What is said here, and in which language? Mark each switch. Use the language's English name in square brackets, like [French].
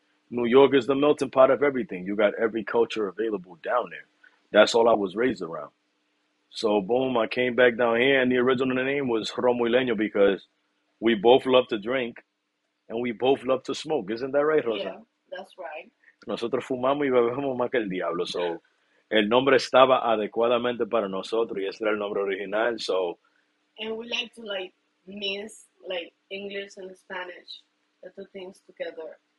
[English] New York is the melting pot of everything. You got every culture available down there. That's all I was raised around. So boom, I came back down here, and the original name was Romuileño because we both love to drink and we both love to smoke. Isn't that right, Rosa? Yeah, that's right. [Spanish] Nosotros fumamos y bebemos más que el diablo. So el nombre estaba adecuadamente para nosotros y ese era el nombre original. [English] So And we like to like mix like English and Spanish, the two things together.